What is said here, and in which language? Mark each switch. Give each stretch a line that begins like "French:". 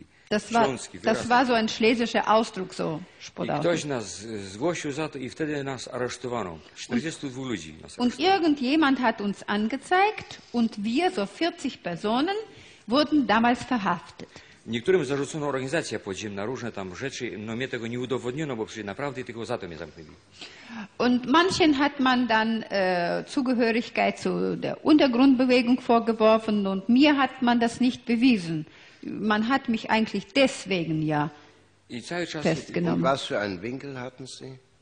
German: Das war so ein schlesischer Ausdruck, so
Polish: Spodach.
German: Und irgendjemand hat uns angezeigt und wir, so 40 Personen, wurden damals verhaftet.
Polish: Niektórym zarzucono organizacja podziemna, różne tam rzeczy, no mnie tego nie udowodniono, bo przecież naprawdę tylko za to mnie zamknęli.
German: Und manchen hat man dann Zugehörigkeit zu der Untergrundbewegung vorgeworfen und mir hat man das nicht bewiesen. Man hat mich eigentlich deswegen ja festgenommen. Was für einen Winkel hatten Sie?